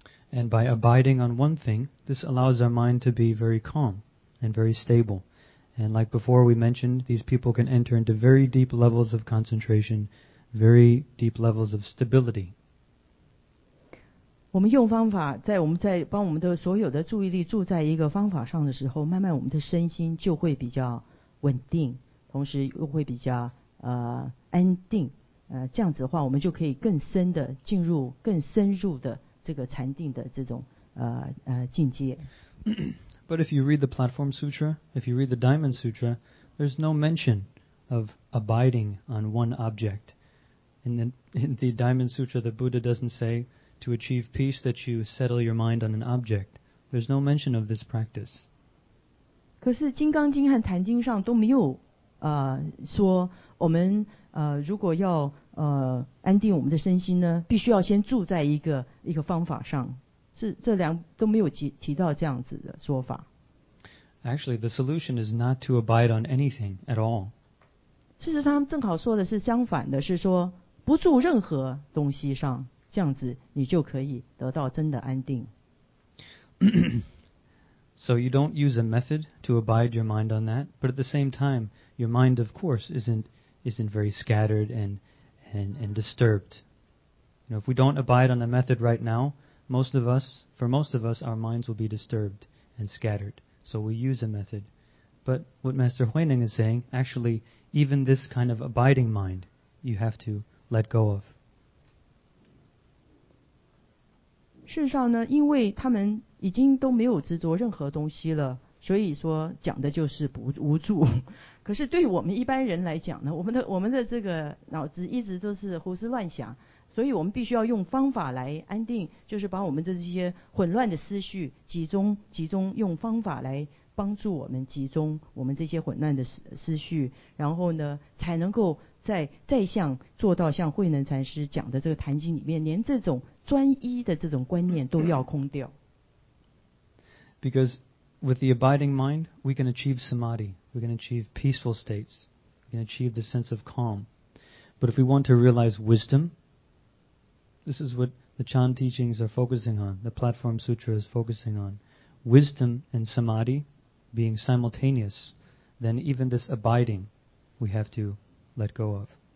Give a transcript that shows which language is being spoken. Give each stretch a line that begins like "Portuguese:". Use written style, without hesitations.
English: And by abiding on one thing, this allows our mind to be very calm and very stable. And like before we mentioned, these people can enter into very deep levels of concentration, very deep levels of stability.
Chinese: 我们用方法，在我们在帮我们的所有的注意力注在一个方法上的时候，慢慢我们的身心就会比较稳定，同时又会比较安定。这样子的话，我们就可以更深的进入更深入的这个禅定的这种境界。
English: But if you read the Platform Sutra, if you read the Diamond Sutra, there's no mention of abiding on one object. In the Diamond Sutra, the Buddha doesn't say to achieve peace that you settle your mind on an object. There's no mention of this practice.
Chinese: 可是《金刚经》和《坛经》上都没有说我们如果要安定我们的身心呢，必须要先住在一个方法上，是这两都没有提到这样子的说法。
English: Actually, the solution is not to abide on anything at all.
Chinese: 事实上，正好说的是相反的，是说不住任何东西上，这样子你就可以得到真的安定。
English: So you don't use a method to abide your mind on that, but at the same time, your mind, of course, isn't very scattered and disturbed. You know, if we don't abide on a method right now, for most of us, our minds will be disturbed and scattered. So we use a method. But what Master Huineng is saying, actually, even this kind of abiding mind, you have to let go of.
Chinese: 事实上呢，因为他们已经都没有执着任何东西了，所以说讲的就是不无助。可是对我们一般人来讲呢，我们的这个脑子一直都是胡思乱想，所以我们必须要用方法来安定，就是把我们的这些混乱的思绪集中，用方法来帮助我们集中我们这些混乱的思绪，然后呢才能够再像做到像慧能禅师讲的这个坛经里面，连这种专一的这种观念都要空掉。
English: Because with the abiding mind, we can achieve samadhi, we can achieve peaceful states, we can achieve the sense of calm. But if we want to realize wisdom, this is what the Chan teachings are focusing on, the Platform Sutra is focusing on, wisdom and samadhi being simultaneous, then even this abiding we have to let go of.